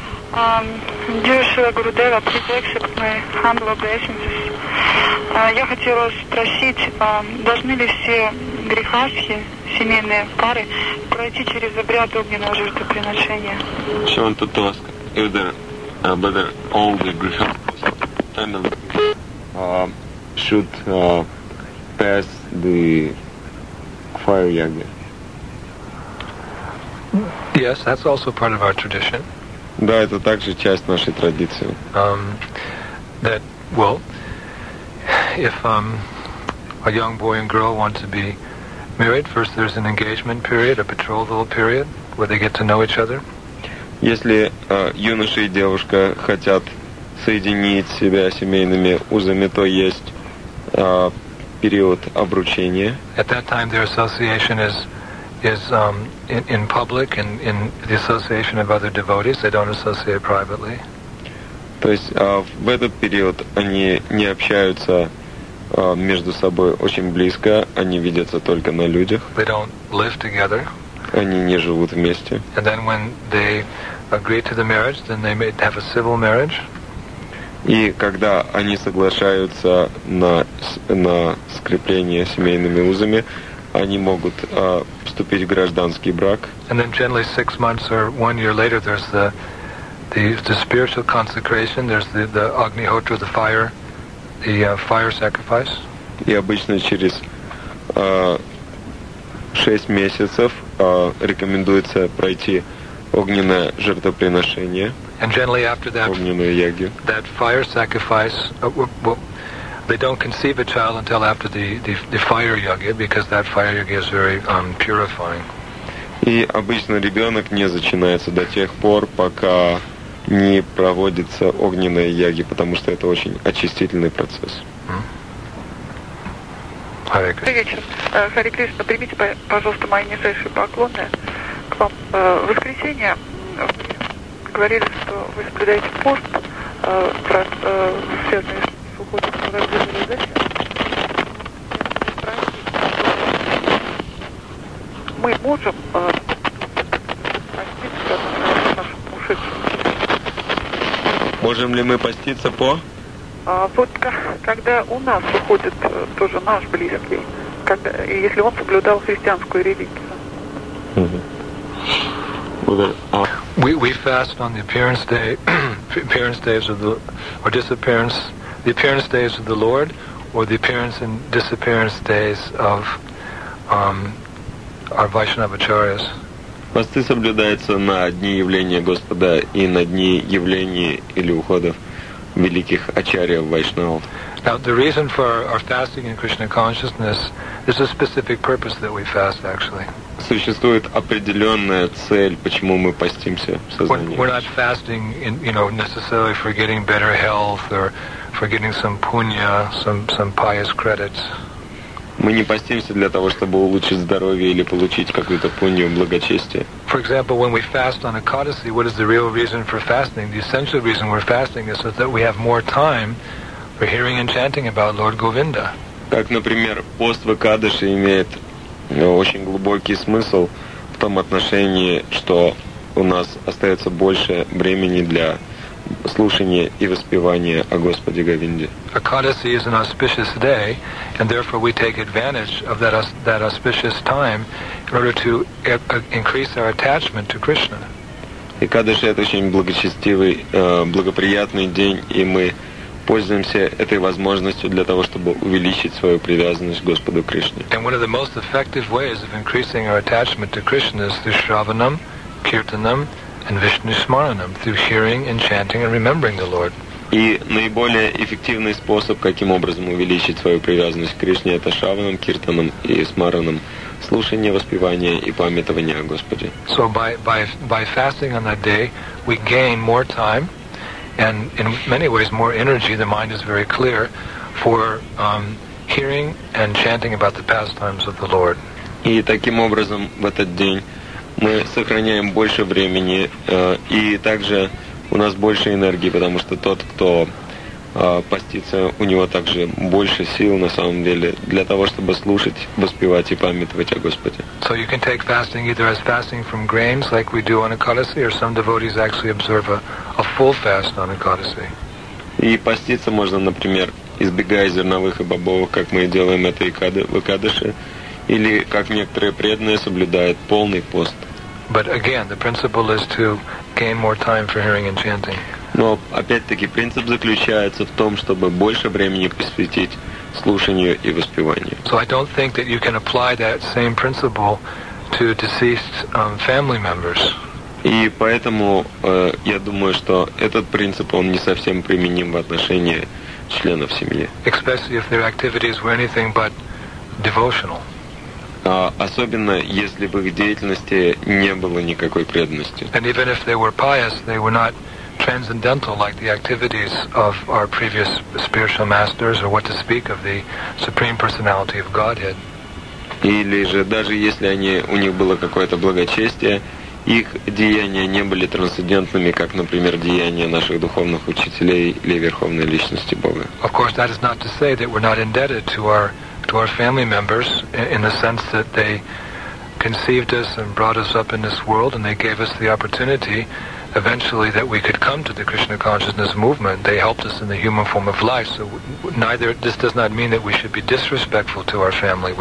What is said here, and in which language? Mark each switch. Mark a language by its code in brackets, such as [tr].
[en] Dear Shri Guru Deva, please accept my humble obeisances. [ru] Я хотела спросить, должны ли все грехасхи, семейные пары, пройти через обряд огненного жертвоприношения? [en] She wanted to ask if there, whether all the grihasthas family should pass the fire yagya. Yes, that's also part of our tradition. [ru] Да, это также часть нашей традиции. [en] That, well, if a young boy and girl want to be married, first there's an engagement period, a betrothal period, where they get to know each other. [ru] Если юноша и девушка хотят соединить себя семейными узами, то есть период обручения. [en] At that time their association is is in public and in the association of other devotees. They don't associate privately. [ru] То есть в этот период они не общаются между собой очень близко, они видятся только на людях. [en] They don't live together. [ru] Они не живут вместе. [en] And then when they agree to the marriage, then they may have a civil marriage. [ru] И когда они соглашаются на скрепление семейными узами, они могут вступить в гражданский брак. [en] And then generally 6 months or 1 year later, there's the spiritual consecration, there's the Agnihotra, the fire, the fire sacrifice. [ru] И обычно через 6 месяцев рекомендуется пройти огненное жертвоприношение. [en] And generally after that fire sacrifice, they don't conceive a child until after the fire yagya, because that fire yagya is very purifying. [ru] И обычно ребенок не зачинается до тех пор, пока не проводится огненная яги, потому что это очень очистительный процесс. Добрый вечер. Харе Кришна, примите, пожалуйста, мои низшие поклоны к вам. В воскресенье вы говорили, что вы соблюдаете пост, связанный с уходом на рождение. Мы можем поститься нашим ушедшим. Можем ли мы поститься по? Вот когда у нас уходит тоже наш близкий, если он соблюдал христианскую религию. [en] We fast on the appearance day, appearance days of the, or disappearance, the appearance days of the Lord, or the appearance and disappearance days of our Vaishnava Acharyas. [ru] Посты соблюдаются на дни явления Господа и на дни явления или уходов великих ачарьев вайшнавов. [en] Now the reason for our fasting in Krishna consciousness is a specific purpose that we fast actually. [ru] Существует определенная цель, почему мы постимся в сознании. [en] We're not fasting in, you know, necessarily for getting better health or for getting some punya, some pious credits. [ru] Мы не постимся для того, чтобы улучшить здоровье или получить какую-то пунью благочестие. [en] For example, when we fast on Ekadasi, what is the real reason for fasting? The essential reason we're fasting is so that we have more time for hearing and chanting about Lord Govinda. [ru] Как, например, пост в Экадаши имеет очень глубокий смысл в том отношении, что у нас остается больше времени для слушание и воспевание о Господе Говинде. [en] Ekadasi is an auspicious day, and therefore we take advantage of that auspicious time in order to increase our attachment to Krishna. [ru] Экадаши — это очень благочестивый, благоприятный день, и мы пользуемся этой возможностью для того, чтобы увеличить свою привязанность к Господу Кришне. [en] And one of the most effective ways of increasing our attachment to Krishna is through Shravanam, Kirtanam, and Vishnu Smaranam, through hearing and chanting and remembering the Lord. [ru] И наиболее эффективный способ, каким образом увеличить свою привязанность к Кришне, это шраванам, киртанам и смаранам, слушание, воспевание и памятование о Господе. [en] So by fasting on that day, we gain more time, and in many ways more energy. The mind is very clear for hearing and chanting about the pastimes of the Lord. [ru] И таким образом в этот день мы сохраняем больше времени, и также у нас больше энергии, потому что тот, кто постится, у него также больше сил, на самом деле, для того, чтобы слушать, воспевать и памятовать о Господе. [en] So you can take fasting either as fasting from grains, like we do on Ekadasi, or some devotees actually observe a full fast on Ekadasi. [ru] И поститься можно, например, избегая зерновых и бобовых, как мы делаем это в Экадаши, или как некоторые преданные соблюдают полный пост. [en] But again, the principle is to gain more time for hearing and chanting. [ru] Но опять-таки принцип заключается в том, чтобы больше времени посвятить слушанию и воспеванию. [en] So I don't think that you can apply that same principle to deceased family members. [ru] И поэтому я думаю, что этот принцип, он не совсем применим в отношении членов семьи. [en] Especially if their activities were anything but devotional. [ru] Особенно если в их деятельности не было никакой преданности. [en] And even if they were pious, they were not transcendental like the activities of our previous spiritual masters, or what to speak of the Supreme Personality of Godhead. [ru] или же даже если они, у них было какое-то благочестие, их деяния не были трансцендентными, как, например, деяния наших духовных учителей или Верховной Личности Бога. [en] Of course, that is not to say that we're not indebted to our family members in the sense that they conceived us and brought us up in this world and they gave us the opportunity eventually that we could come to the Krishna consciousness movement. They helped us in the human form of life, so neither, this does not mean that we should be disrespectful to our family.